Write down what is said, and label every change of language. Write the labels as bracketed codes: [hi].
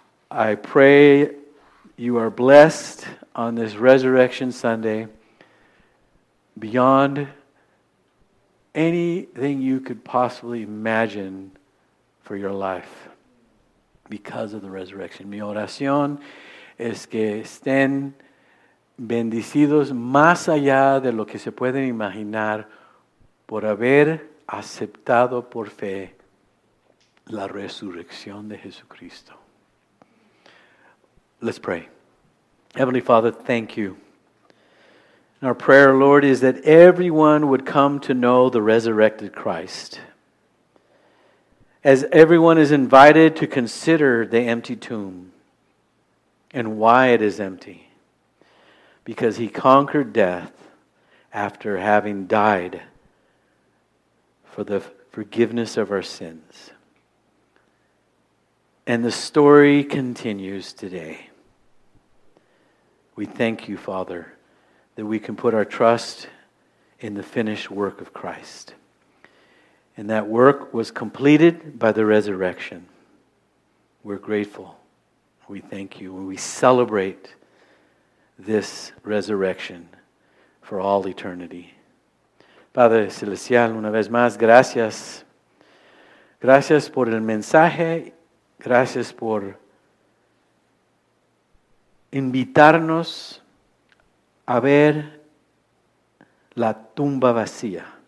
[en] I pray you are blessed on this Resurrection Sunday beyond anything you could possibly imagine for your life because of the resurrection. [es] Mi oración es que estén bendecidos más allá de lo que se pueden imaginar por haber aceptado por fe la resurrección de Jesucristo. [en] Let's pray. Heavenly Father, thank you. And our prayer, Lord, is that everyone would come to know the resurrected Christ. As everyone is invited to consider the empty tomb and why it is empty. Because he conquered death after having died for the forgiveness of our sins. And the story continues today. We thank you, Father, that we can put our trust in the finished work of Christ. And that work was completed by the resurrection. We're grateful. We thank you. And we celebrate this resurrection for all eternity. [es] Padre Celestial, una vez más, gracias. Gracias por el mensaje. Gracias por invitarnos a ver la tumba vacía.